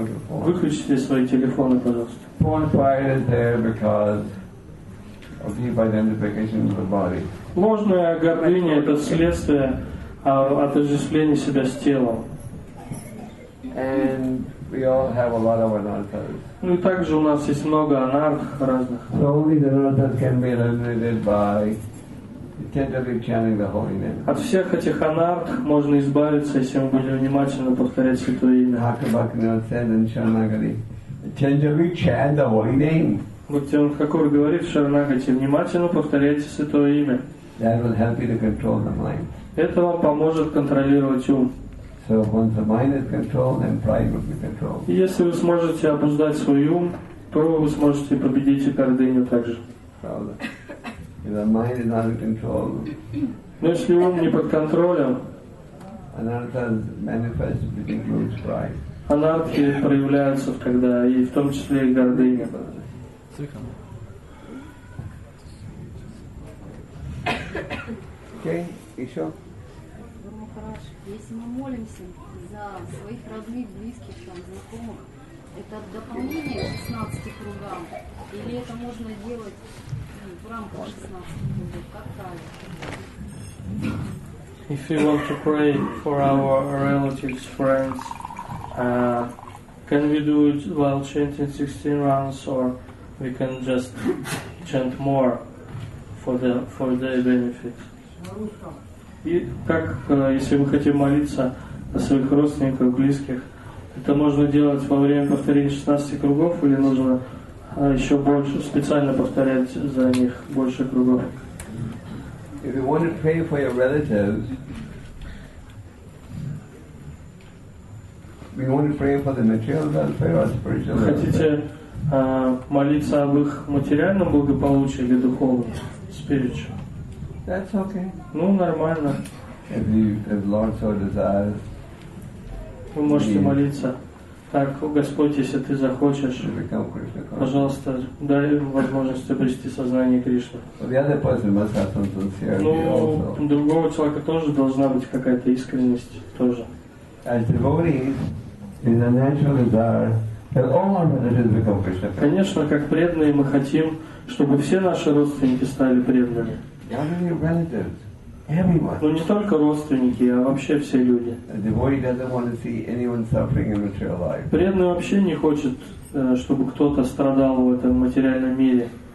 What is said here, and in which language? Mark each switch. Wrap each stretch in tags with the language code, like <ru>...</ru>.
<ru>выключите свои телефоны, пожалуйста.</ru> <en>False pride is there because of deep identification with the body.</en> <ru>Ложная гордыня — это следствие отождествления себя с телом.</ru> <en>And we all have a lot of anarthas.</en> <ru>Ну и также у нас есть много анарх разных.</ru> <en>So only the anarthas can be eliminated by attentively chanting the holy name.</en> <ru>От всех этих анарх можно избавиться, если мы будем внимательно повторять святое имя.</ru> <en>Thakur Bhakti said in Shanagari. Attentively chant the holy name.</en> <ru>Бхактивинод Хакур говорит в Шаранагати, внимательно повторяйте святое имя.</ru> <en>That will help you to control the mind.</en> <ru>Это вам поможет контролировать ум.</ru> <en>So once the mind is controlled, then pride will be controlled.</en> <ru>Если вы сможете обуздать свой ум, то вы сможете победить и гордыню также. Правда.</ru> <en>If the mind is not in control.</en> <ru>Но если ум не под контролем,</ru> <en>anarthas manifest, which includes pride.</en> <ru>Анархи проявляются, когда и в том числе и гордыня. Окей, еще. Гуру Махарадж, если мы молимся за своих родных, близких, там, знакомых, это дополнение к 16 кругам? Или это можно делать в рамках 16 кругов? Как правильно?</ru> <en>If you want to pray for our relatives, friends, can we do it while chanting 16 rounds, or we can just chant more for their benefit?</en> <ru>И как, если мы хотим молиться о своих родственниках, близких, это можно делать во время повторения 16 кругов, или нужно еще больше, специально повторять за них больше кругов?</ru> <en>If you want to pray for your relatives, we want to pray for the material welfare or spiritual welfare.</en> <ru>Хотите молиться об их материальном благополучии или духовном, spiritual?</ru> <en>That's okay.</en> <ru>Ну, нормально.</ru> <en>If Lord so desires.</en> <ru>Вы можете молиться. Так, Господь, если ты захочешь, пожалуйста, дай возможность обрести сознание Кришны. Ну, у другого человека тоже должна быть какая-то искренность тоже.</ru> <en>In the natural desire that all our relatives become Krishna.</en> <ru>Конечно, как преданные мы хотим, чтобы все наши родственники стали преданными.</ru> <en>Not only relatives, everyone.</en> <ru>Но не только родственники, а вообще все люди.</ru> <en>A devotee doesn't want to see anyone suffering in material life.</en> <ru>Преданный вообще не хочет, чтобы кто-то страдал в этом материальном мире.</ru>